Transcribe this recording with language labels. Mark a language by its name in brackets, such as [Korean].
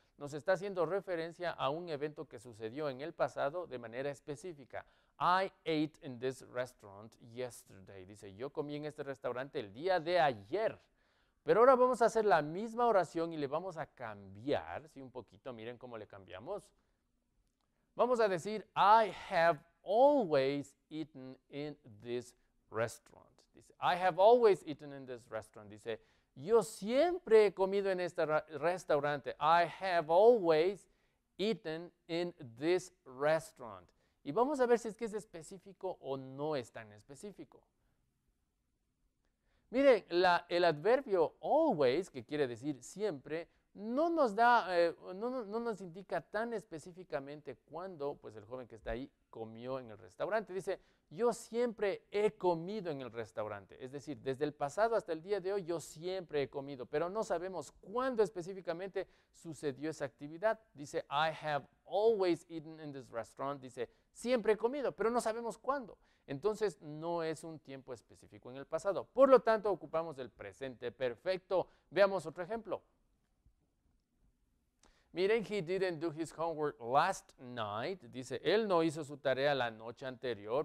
[Spanish] Nos está haciendo referencia a un evento que sucedió en el pasado de manera específica. [English] I ate in this restaurant yesterday. [Spanish] Dice, yo comí en este restaurante el día de ayer. Pero ahora vamos a hacer la misma oración y le vamos a cambiar, sí, un poquito, miren cómo le cambiamos. Vamos a decir, [English] I have always eaten in this restaurant. Dice, I have always eaten in this restaurant. Dice, [Spanish] Yo siempre he comido en este restaurante. [English] I have always eaten in this restaurant. [Spanish] Y vamos a ver si es que es específico o no es tan específico. Miren, el adverbio always, que quiere decir siempre, no nos indica tan específicamente cuándo, pues, el joven que está ahí comió en el restaurante. Dice, yo siempre he comido en el restaurante. Es decir, desde el pasado hasta el día de hoy, yo siempre he comido. Pero no sabemos cuándo específicamente sucedió esa actividad. [English] Dice, I have always eaten in this restaurant. [Spanish] Dice, siempre he comido, pero no sabemos cuándo. Entonces, no es un tiempo específico en el pasado. Por lo tanto, ocupamos el presente perfecto. Veamos otro ejemplo. Miren, [English] he didn't do his homework last night. [Spanish] Dice, él no hizo su tarea la noche anterior.